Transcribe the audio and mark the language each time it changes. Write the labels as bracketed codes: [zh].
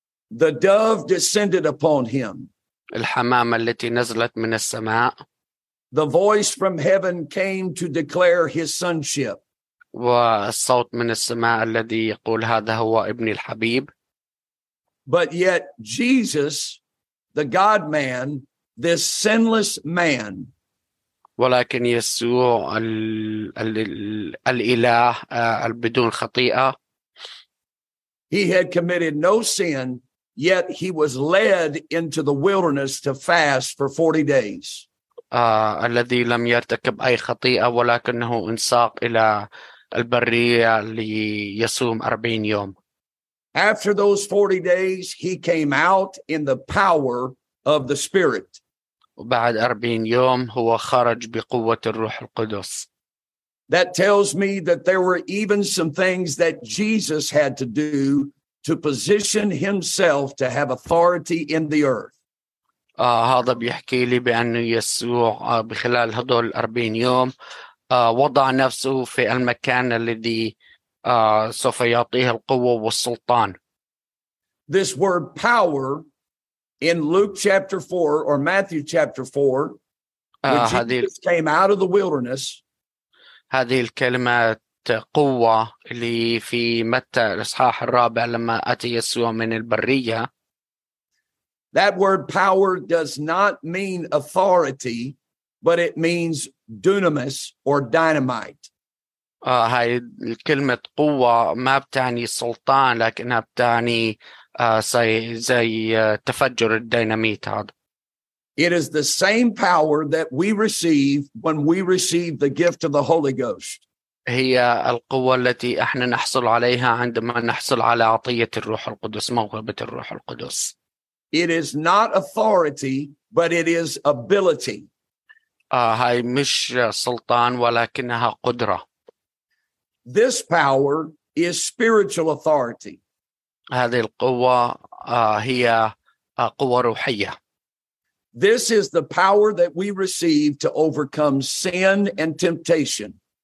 [en] The dove descended upon him. [ar] الحمامة التي نزلت من السماء. [en] The voice from heaven came to declare his sonship. [ar] والصوت من السماء الذي يقول هذا هو ابني الحبيب. [en] But yet Jesus, the God-man, this sinless man, [ar] ولكن يسوع الإله بدون خطيئة, [en] he had committed no sin, yet he was led into the wilderness to fast for 40 days. [ar] الذي لم يرتكب أي خطيئة ولكنه انساق إلى البرية ليصوم 40 يوم. [en] After those 40 days, he came out in the power of the Spirit. [ar] وبعد 40 يوم هو خرج بقوة الروح القدس. [en] That tells me that there were even some things that Jesus had to do to position himself to have authority in the earth. [ar] هذا بيحكي لي بأن يسوع بخلال هدول 40 يوم وضع نفسه في المكان الذي سوف يعطيه القوة والسلطان. [en] This word power in Luke chapter 4 or Matthew chapter 4 when Jesus came out of the wilderness. [ar] هذه الكلمة قوة اللي في متى الإصحاح الرابع لما أتى يسوع من البرية. [en] That word power does not mean authority, but it means dunamis or dynamite. [ar] هاي الكلمة قوة ما بتعني سلطان لكنها بتعني زي تفجر الديناميت هذا. [en] It is the same power that we receive when we receive the gift of the Holy Ghost. [ar] هي القوة التي احنا نحصل عليها عندما نحصل على عطية الروح القدس, موهبة الروح القدس. [en] It is not authority, but it is ability. [ar] هاي مش سلطان ولكنها قدرة. [en] This power is spiritual authority. [ar] هذه القوة هي قوة روحية. [en] This is the power that we receive to overcome sin and temptation.